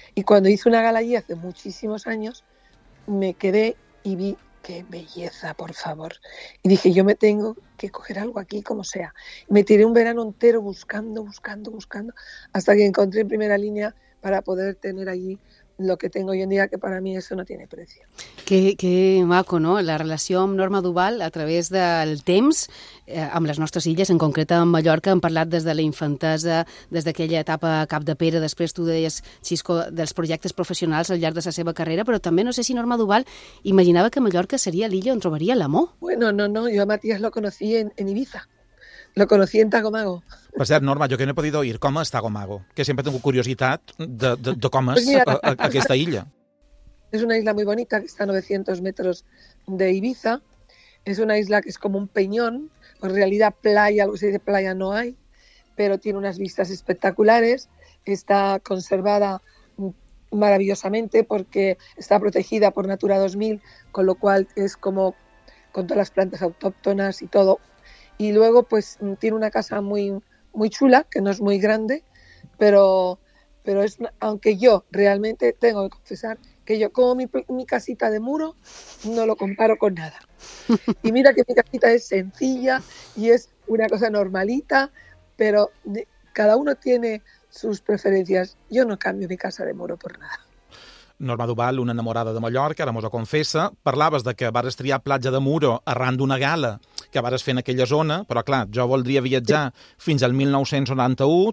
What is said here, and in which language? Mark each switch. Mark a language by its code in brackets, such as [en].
[es] Y cuando hice una gala allí hace muchísimos años, me quedé y vi qué belleza, por favor. Y dije, yo me tengo que coger algo aquí, como sea. Me tiré un verano entero buscando, hasta que encontré en primera línea para poder tener allí lo que tengo hoy en día, que para mí eso no tiene precio. [ca] Qué maco, ¿no? La relació amb Norma Duval a través del temps, amb les nostres illes, en concret amb Mallorca. Hem parlat des de la infantesa, des d'aquella etapa cap de pera, després tu deies, Xisco, dels projectes professionals al llarg de la seva carrera, però també no sé si Norma Duval imaginava que Mallorca seria l'illa on trobaria l'amor. [es] Bueno, no, jo a Matías lo conocí en Ibiza. Lo conocí en Tagomago. [ca] Per cert, Norma, jo que [es] no he podido [ca] ir, com és Tagomago? Que sempre he tingut curiositat de com és aquesta illa. [es] És una isla muy bonita, que está a 900 metros de Ibiza. És una isla que [ca] és com [es] un peñón. En realidad, playa, algo que se dice playa no hay, pero tiene unas vistas espectaculares. Está conservada maravillosamente porque está protegida por Natura 2000, con lo cual es como con todas las plantas autóctonas y todo. Y luego, pues, tiene una casa muy, muy chula, que no es muy grande, pero es, aunque yo realmente tengo que confesar que yo como mi casita de muro, no lo comparo con nada. Y mira que mi casita es sencilla y es una cosa normalita, pero cada uno tiene sus preferencias. Yo no cambio mi casa de muro por nada. [ca] Norma Duval, [es] una enamorada de [ca] Mallorca, ara mos ho confessa. Parlaves de que vares triar Platja de Muro arran d'una gala que vares fer en aquella zona, però clar, jo voldria viatjar fins al 1991.